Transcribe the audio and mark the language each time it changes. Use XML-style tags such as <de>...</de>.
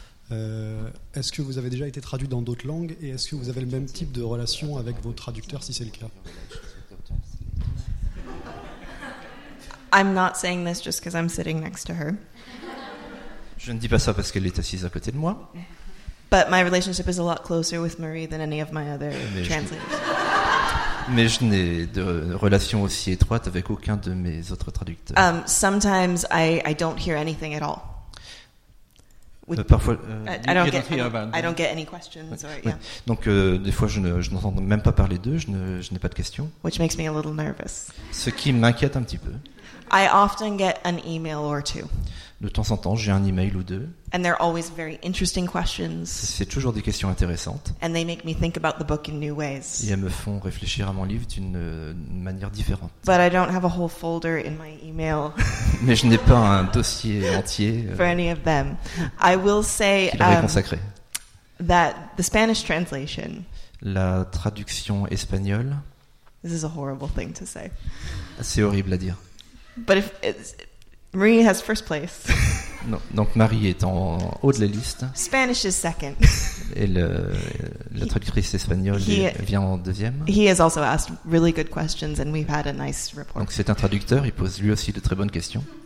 <fr>Est-ce que vous avez déjà été traduit dans d'autres langues et est-ce que vous avez le même type de relation avec vos traducteurs, si c'est le cas?</fr> <en>I'm not saying this just because I'm sitting next to her.</en> <fr>Je ne dis pas ça parce qu'elle est assise à côté de moi.</fr> <en>But my relationship is a lot closer with Marie than any of my other translators.</en> <fr>Mais je n'ai de relation aussi étroite avec aucun de mes autres traducteurs.</fr> <en>Sometimes I don't hear anything at all.</en> <fr>Parfois,</fr> <en>I don't get any questions. Ouais. Or, yeah.</en> <fr>Donc des fois je n'entends même pas parler d'eux, je n'ai pas de questions.</fr> <en>Which makes me a little nervous.</en> <fr>Ce qui m'inquiète un petit peu.</fr> <en>I often get an email or two.</en> <fr>De temps en temps, j'ai un email ou deux.</fr> <en>And they're always very interesting questions.</en> <fr>C'est toujours des questions intéressantes.</fr> <en>And they make me think about the book in new ways.</en> <fr>Et elles me font réfléchir à mon livre d'une manière différente.</fr> <en>But I don't have a whole folder in my email.</en> <fr>Mais je n'ai pas un dossier entier.</fr> <en>For any of them, I will say that the Spanish translation.</en> <fr>La traduction espagnole.</fr> <en>This is a horrible thing to say.</en> <fr>C'est horrible à dire.</fr> <en>But if Marie has first place.</en> <fr>Non, donc Marie est en haut de la liste.</fr> <en>Spanish is second.</en> <fr>Et la traductrice espagnole vient en deuxième.</fr> <en>He has also asked really good questions and we've had a nice report.</en> <fr>Donc c'est un traducteur, il pose lui aussi de très bonnes questions.</fr>